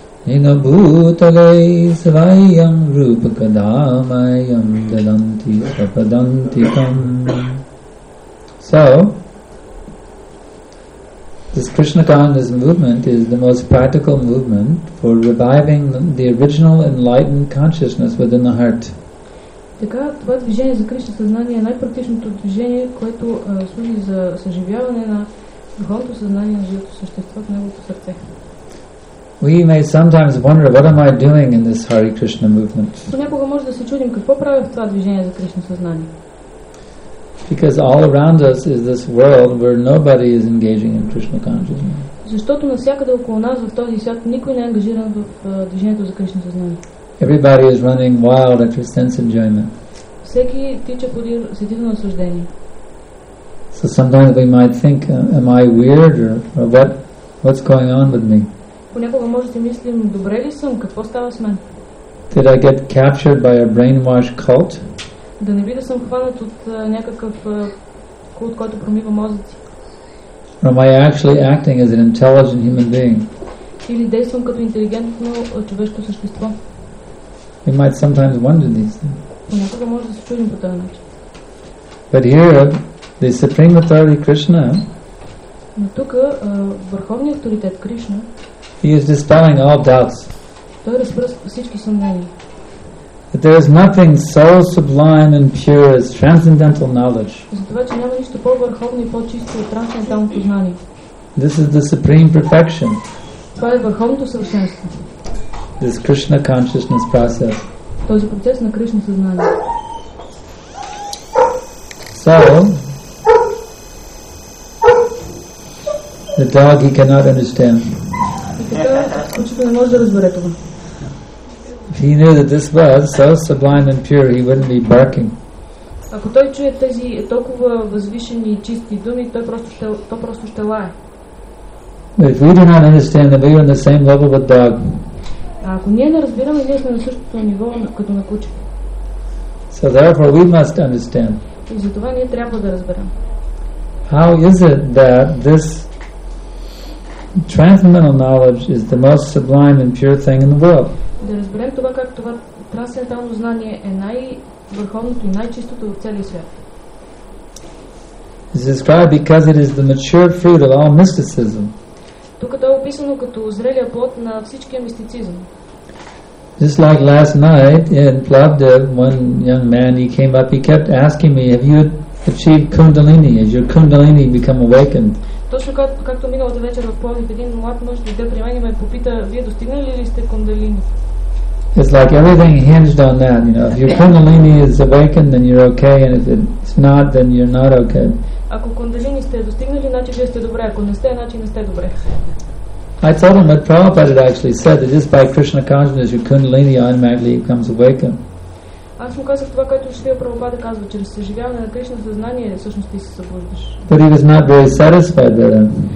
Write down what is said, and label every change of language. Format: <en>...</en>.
<sa>Ina bhutale svayam rupakadamayam dadanti sapadantikam.</sa> <en>So, this Krishna consciousness movement is the most practical movement for reviving the original enlightened consciousness within the heart.</en> <bg>Така, това движение за Кришна съзнание е най-практичното движение, което служи за съживяване на духовното съзнание на живото същество в неговото сърце.</bg> <en>We may sometimes wonder, what am I doing in this Hare Krishna movement?</en> <bg>Понякога може да се чудим какво правя в това движение за Кришна съзнание.</bg> <en>Because all around us is this world where nobody is engaging in Krishna consciousness.</en> <bg>Защото навсякъде около нас в този свят никой не е ангажиран в движението за Кришна съзнание.</bg> <en>Everybody is running wild after sense enjoyment.</en> <bg>Всеки тича по сетивно наслаждение.</bg> <en>So sometimes we might think, am I weird or what's going on with me?</en> <bg>Понякога може да мислим, добре ли съм, какво става с мен?</bg> <en>Did I get captured by a brainwashed cult?</en> <bg>Да не би да съм хванат от някакъв култ, който промива мозъци.</bg> <en>Or am I actually acting as an intelligent human being?</en> <bg>Или действам като интелигентно човешко същество?</bg> <en>We might sometimes wonder these things.</en> <bg>Понякога може да се чудим по този начин.</bg> <en>But here, the supreme authority Krishna.</en> <bg>Но тук върховният авторитет Кришна.</bg> <en>He is dispelling all doubts.</en> <bg>Той разпръсва всички съмнения.</bg> <en>That there is nothing so sublime and pure as transcendental knowledge.</en> <bg>Затова че няма нищо по-върховно и по-чисто от трансценденталното знание.</bg> <en>This is the supreme perfection.</en> <bg>Това е върховното съвършенство.</bg> <en>This Krishna consciousness process.</en> <bg>Този процес на Кришна съзнание.</bg> <en>So, the dog he cannot understand.</en> <bg>Кучето не може да разбере това.</bg> <en>If he knew that this was so sublime and pure, he wouldn't be barking.</en> <bg>Ако той чуе тези толкова възвишени и чисти думи, той просто ще лае.</bg> <en>But if we do not understand that we are on the same level with dog.</en> <bg>А ако ние не разбираме, ние сме на същото ниво като на куче.</bg> <en>So therefore we must understand.</en> <bg>И затова ние трябва да разберем.</bg> <en>How is it that this transcendental knowledge is the most sublime and pure thing in the world?</en> <bg>Да разберем това, как това трансцендентално знание е най-върховното и най-чистото в целия свят.</bg> <en>It is described because it is the mature fruit of all mysticism.</en> <bg>Тук е описано като зрелия плод на всичкия мистицизъм.</bg> <en>Just like last night in Plovdiv, one young man, he came up, he kept asking me, have you achieved kundalini? Has your kundalini become awakened?</en> <bg>Точно както миналата вечер в Пловдив, един млад мъж дойде при мен и ме попита, вие достигнали ли сте кундалини?</bg> <en>It's like everything hinged on that, you know. If your kundalini is awakened, then you're okay, and if it's not, then you're not okay.</en> <bg>Ако кундалини сте достигнали, значи вие сте добре. Ако не сте, значи не сте добре.</bg> <en>I told him that Prabhupada actually said that just by Krishna consciousness your kundalini automatically becomes awakened.</en> <bg>Аз му казах това, което Шрила Прабхупада казва, чрез съживяване на Кришна съзнание всъщност ти се събуждаш.</bg> <en>But he was not very satisfied with him.</en>